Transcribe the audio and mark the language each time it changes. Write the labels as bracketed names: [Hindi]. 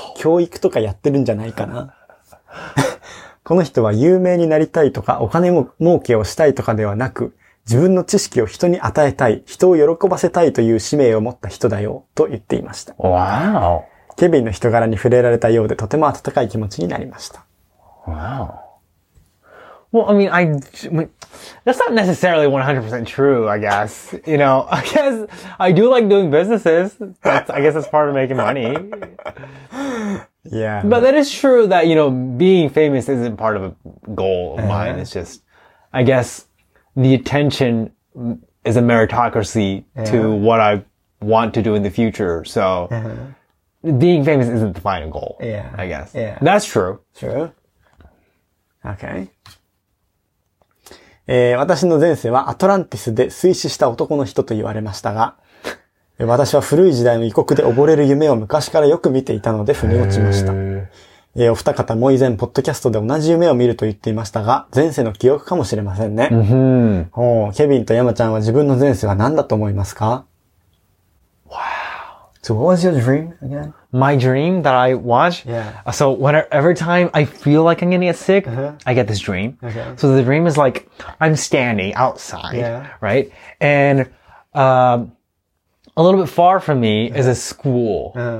[Japanese] 教育とかやってるんじゃないかな?この人は有名になりたいとかお金も儲けをしたいとかではなく、自分の知識を人に与えたい、人を喜ばせたいという使命を持った人だよ、と言っていました。 [English] Wow. ケビンの人柄に触れられたようでとても温かい気持ちになりました。 Wow. Well, I mean, that's not necessarily 100% true, I guess. You know, I guess I do like doing businesses. I guess that's part of making money. Yeah. But that is true that, you know, being famous isn't part of a goal of mine. It's just, I guess the attention is a meritocracy to what I want to do in the future. So being famous isn't the final goal. Yeah. I guess. Yeah. That's true. True. Okay. [Japanese] 私の前世はアトランティスで水死した男の人と言われましたが、私は古い時代の異国で溺れる夢を昔からよく見ていたので腑に落ちました。お二方も以前ポッドキャストで同じ夢を見ると言っていましたが、前世の記憶かもしれませんね。うん、ケビンと山ちゃんは自分の前世は何だと思いますか [English] ?Wow. So what was your dream again?My dream that I watch?Yeah. So every time I feel like I'm gonna get sick,、uh-huh. I get this dream.、 Okay. So the dream is like,I'm standing outside, yeah. right? And, a little bit far from me is a school.